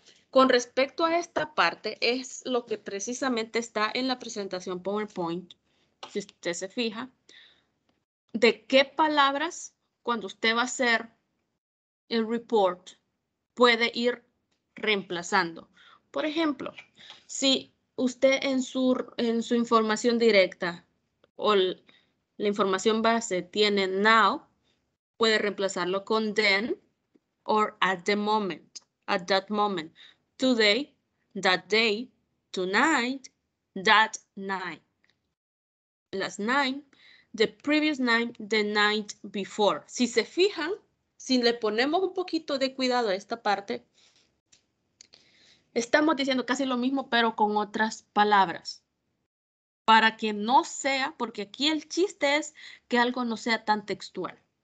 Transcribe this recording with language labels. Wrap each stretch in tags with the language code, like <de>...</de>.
<es>Con respecto a esta parte, es lo que precisamente está en la presentación PowerPoint, si usted se fija, de qué palabras, cuando usted va a hacer el report, puede ir reemplazando. Por ejemplo, si usted en su información directa o la información base tiene now, puede reemplazarlo con</es> <en>then or at the moment, at that moment. Today, that day, tonight, that night. Last night, the previous night, the night before.</en> <es>Si se fijan, si le ponemos un poquito de cuidado a esta parte, estamos diciendo casi lo mismo, pero con otras palabras. Para que no sea, porque aquí el chiste es que algo no sea tan textual.</es>